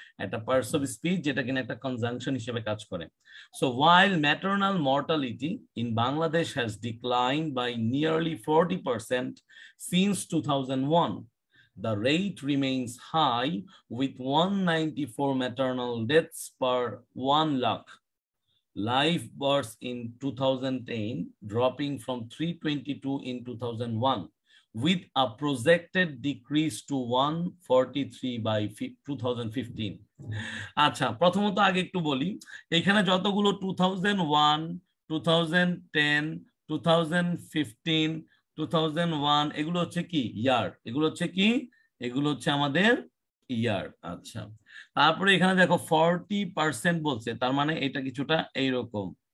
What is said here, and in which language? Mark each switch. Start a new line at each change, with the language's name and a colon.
Bangla: একটা parts of speech যেটা কিনা একটা কনজাংশন হিসেবে কাজ করে।
English: So while maternal mortality in Bangladesh has decline by nearly 40% since 2001, the rate remains high with 194 maternal deaths per 1 lakh life births in 2010 dropping from 322 in 2001 with a projected decrease to 143 by 2015.
Bangla: আচ্ছা প্রথমত আগে একটু বলি এখানে যতগুলো 2001 2010 2015 2001 এগুলো হচ্ছে কি ইয়ার এগুলো হচ্ছে কি এগুলো হচ্ছে আমাদের ইয়ার আচ্ছা তারপরে এখানে দেখো 40% বলছে তার মানে এটা কিছুটা এই রকম